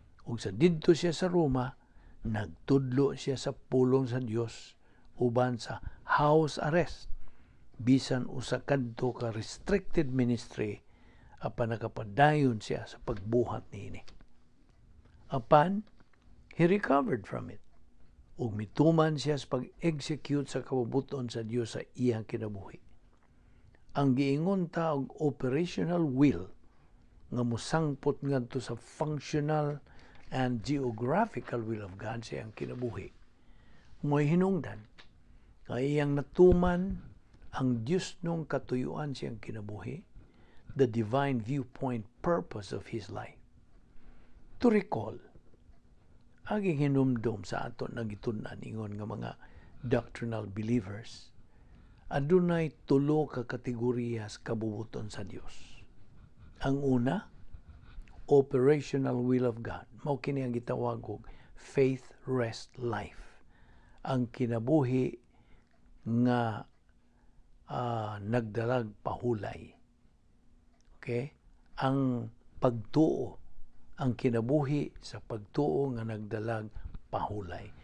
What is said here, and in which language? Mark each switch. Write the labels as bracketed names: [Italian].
[Cebuano] Ug sa dito siya sa Roma, nagtudlo siya sa pulong sa Dios uban sa house arrest, bisan usa kadto ka [English] restricted ministry [Cebuano] apan nakapadayon siya sa pagbuhat niini. [English] Apan, he recovered from it. [Cebuano] Ug mituman siya sa pag-execute sa kabubuton sa Dios sa iyang kinabuhi. Ang giingon ta og operational will nga musangpot ngadto sa [English] functional and geographical will of God [Cebuano] sa iyang kinabuhi. Mo'y hinungdan nga iyang natuman ang Diyos nung katuyuan siyang kinabuhi, [English] the divine viewpoint purpose of his life. To recall, [Cebuano] aging hinumdom sa ato na gitunan ingon nga mga [English] doctrinal believers, [Cebuano] adunay tulo ka kategoryas kabubuton sa Dios. Ang una, [English] operational will of God. [Cebuano] Mao kini ang gitawag og [English] faith rest life. [Cebuano] Ang kinabuhi nga nagdalag pahulay. Okay? Ang pagtuo, ang kinabuhi sa pagtuo nga nagdalag pahulay.